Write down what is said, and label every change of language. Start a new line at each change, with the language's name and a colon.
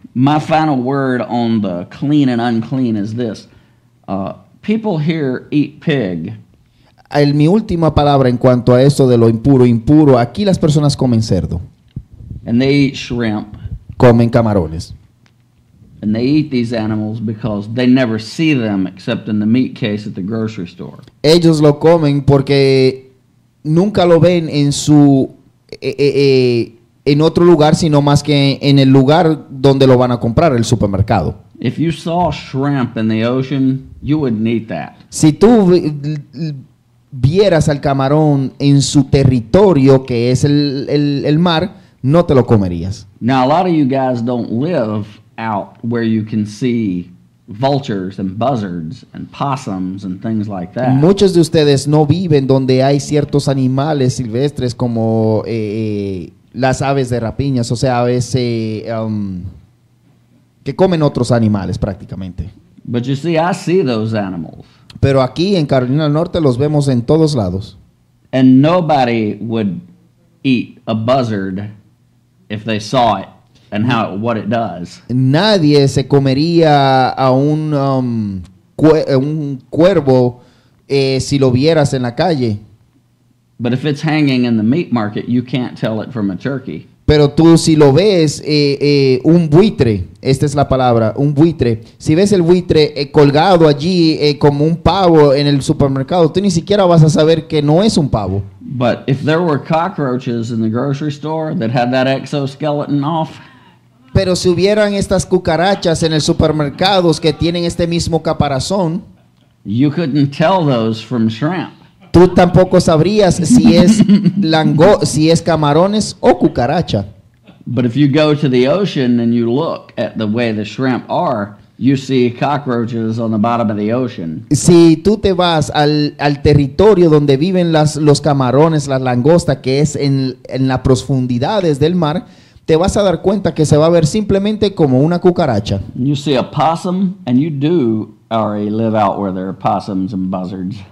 English: My final word on the clean and unclean is this. People here eat pig.
Spanish: Mi última palabra en cuanto a esto de lo impuro, impuro, aquí las personas comen cerdo.
English: And they eat shrimp.
Spanish: Comen camarones.
English: And they eat these animals because they never see them except in the meat case at the grocery store.
Spanish: Ellos lo comen porque nunca lo ven en su en otro lugar, sino más que en el lugar donde lo van a comprar, el supermercado.
English: If you saw shrimp in the ocean, you wouldn't eat that.
Spanish: Si tú vieras al camarón en su territorio, que es el mar, no te lo comerías.
English: Now, a lot of you guys don't live out where you can see vultures and buzzards and possums and things like that.
Spanish: Muchos de ustedes no viven donde hay ciertos animales silvestres como las aves de rapiñas, o sea, aves que comen otros animales prácticamente.
English: But you see, I see those animals.
Spanish: Pero aquí en Carolina del Norte los vemos en todos lados.
English: And nobody would eat a buzzard if they saw it and how what it does.
Spanish: Nadie se comería a un cuervo si lo vieras en la calle.
English: But if it's hanging in the meat market, you can't tell it from a turkey.
Spanish: Pero tú si lo ves, un buitre, esta es la palabra, un buitre. Si ves el buitre colgado allí como un pavo en el supermercado, tú ni siquiera vas a saber que no es un pavo.
English: But if there were cockroaches in the grocery store that had that exoskeleton off,
Spanish: Pero si hubieran estas cucarachas en el supermercado que tienen este mismo caparazón,
English: you couldn't tell those from shrimp.
Spanish: Tú tampoco sabrías si es si es camarones o cucaracha.
English: But if you go to the ocean and you look at the way the shrimp are, you see cockroaches on the bottom of the ocean.
Spanish: Si tú te vas al territorio donde viven los camarones, las langostas, que es en las profundidades del mar, te vas a dar cuenta que se va a ver simplemente como una cucaracha.
English: You see a possum, and you do already live out where there are possums and buzzards.